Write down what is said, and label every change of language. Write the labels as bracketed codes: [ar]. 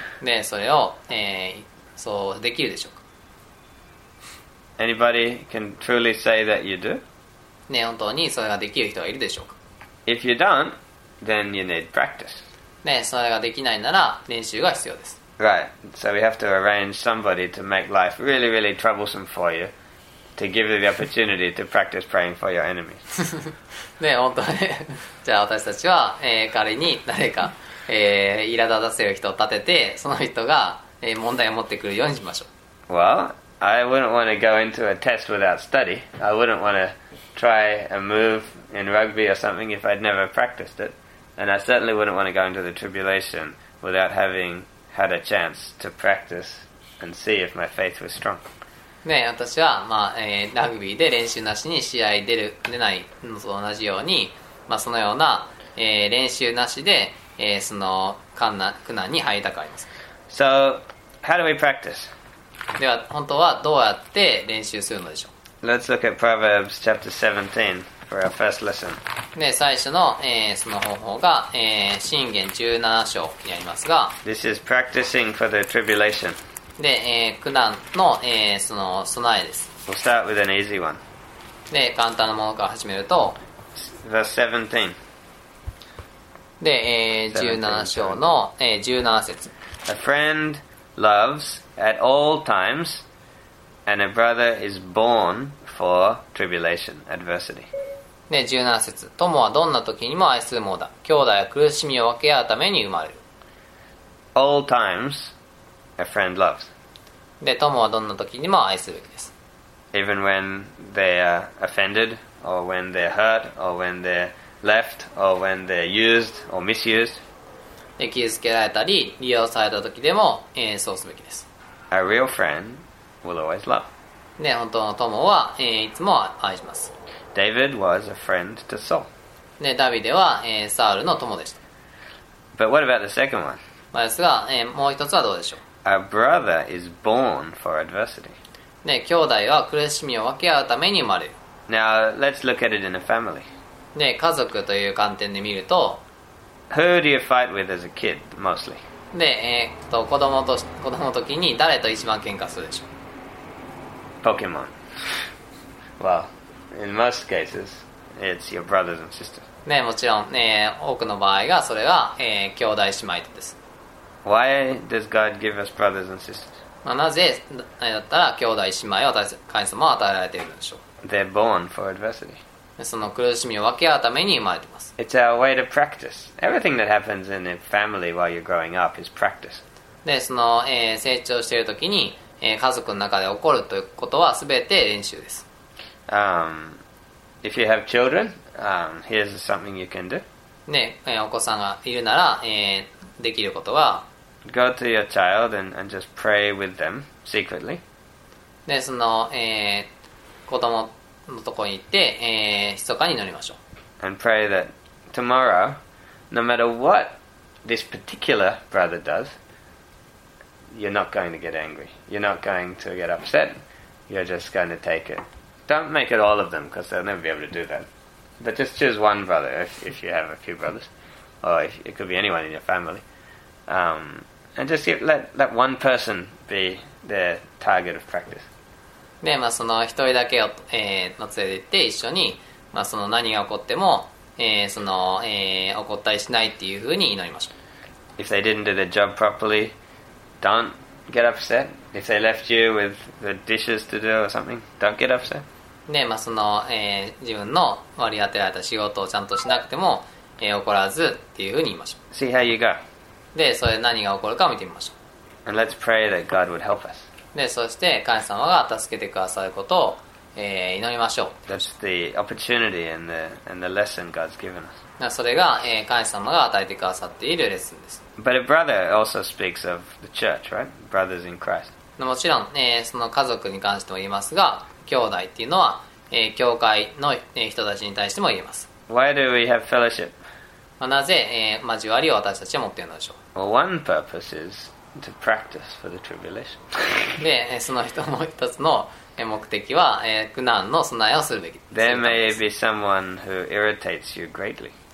[ja] で、それを、そうできるでしょうか? [en] Anybody can truly say that you do? [ja] で、本当にそれができる人はいるでしょうか? [en] If you don't, then you need practice. [ja] で、それができないなら練習が必要です。 [en] Right, so we have to arrange somebody to make life really, really troublesome for you. To give you the opportunity to practice praying for your enemies. [ja] ね、本当ね。じゃあ私たちは、彼に誰か、苛立たせる人を立てて、その人が、問題を持ってくるようにしましょう。 [en] Well, I wouldn't want to go into a test without study. I wouldn't want to try a move in rugby or something if I'd never practiced it. And I certainly wouldn't want to go into the tribulation without having had a chance to practice and see if my faith was strong. [ja] ね、私は、まあラグビーで練習なしに試合出ないのと同じように、まあ、そのような、練習なしで、その苦難に入りたくあります。 [en] So, how do we practice? [ja] では本当はどうやって練習するのでしょう。 [en] Let's look at Proverbs chapter 17 for our first lesson. [ja] で最初の、その方法が、箴言17章にありますが [en] This is practicing for the tribulation [ja] で、苦難の、その備えです。 [en] We'll start with an easy one. [ja] で、簡単なものから始めると、 [en] Verse 17. [ja] で、17章の、17節。 [en] A friend loves at all times, and a brother is born for tribulation, adversity. [ja] で、17節。友はどんな時にも愛するものだ。兄弟は苦しみを分け合うために生まれる。 [en] All times,A friend loves. [ja] で、友はどんな時にも愛すべきです。 [en] Even when they're offended, or when they're hurt, or when they're left, or when they're used or misused. [ja] で、傷つけられたり、利用された時でも、そうすべきです。 [en] A real friend will always love. [ja] で、本当の友は、いつも愛します。 [en] David was a friend to Saul. [ja] で、ダビデは、サウルの友でした。 [en] But what about the second one? [ja] まあですが、もう一つはどうでしょう。 [en] A brother is born for adversity. [ja] ね、兄弟は苦しみを分け合うために生まれる。 [en] Now, let's look at it in a family. [ja] ね、家族という観点で見ると、 [en] Who do you fight with as a kid, mostly? [ja] ね、子供の時に誰と一番喧嘩するでしょう? [en] Pokemon. Well, in most cases, it's your brothers and sisters. [ja] ね、もちろん、多くの場合がそれは、兄弟姉妹です。 [en] Why does God give us brothers and sisters? [ja] まあ、なぜだったら兄弟姉妹を神様は与えられているんでしょう。 [en] They're born for adversity. [ja] その苦しみを分け合うために生まれています。 [en] It's our way to practice. Everything that happens in a family while you're growing up is practice. [ja] で、その、成長しているときに、家族の中で起こるということはすべて練習です。 [en] If you have children, here's something you can do. [ja] ね、お子さんがいるなら、できることは [en] Go to your child and just pray with them secretly. [ja] で、その、子供のところに行って、密かに祈りましょう。 [en] And pray that tomorrow, no matter what this particular brother does, you're not going to get angry. You're not going to get upset. You're just going to take it. Don't make it all of them, because they'll never be able to do that. But just choose one brother, if you have a few brothers. Or it could be anyone in your family. And just let one person be their target of practice. [ja] で、まあ、その一人だけを、連れて行って一緒に、まあ、その何が起こっても、その、怒ったりしないっていうふうに祈りましょう。 [en] If they didn't do their job properly, don't get upset. If they left you with the dishes to do or something, don't get upset. [ja] で、まあ、その、自分の割り当てられた仕事をちゃんとしなくても、怒らずっていうふうに言いましょう。 [en] See how you go. [ja] で、それ何が起こるかを見てみましょう。 [en] And let's pray that God would help us. [ja] で、そして神様が助けてくださることを、祈りましょう。 [en] That's the opportunity and the lesson God's given us. [ja] それが、神様が与えてくださっているレッスンです。 [en] But a brother also speaks of the church, right? Brothers in Christ. [ja] もちろん、その家族に関しても言いますが、兄弟っていうのは、教会の、人たちに対しても言います。 [en] Why do we have fellowship? [ja] まあ、なぜ、交わりを私たちは持っているのでしょう。 [en] Well, one purpose is to practice for the tribulation. [ja] で、その人の一つの目的は、苦難の備えをするべきです。 [en] There may be someone who irritates you greatly.